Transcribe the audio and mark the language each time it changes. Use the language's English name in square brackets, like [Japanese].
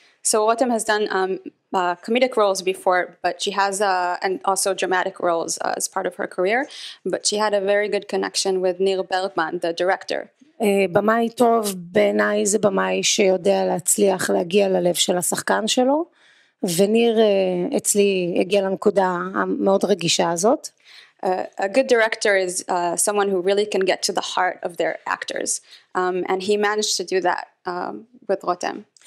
[English] So Rotem has done comedic roles before, but she has and also dramatic roles as part of her career, but she had a very good connection with ניר ברגמן, the director. [Hebrew] במאי טוב בעיניי זה במאי שיודע להצליח להגיע ללב של השחקן שלו, וניר אצלי הגיע לנקודה המאוד רגישה הזאת. [English] A good director is someone who really can get to the heart of their actors. And he managed to do that with Rotem.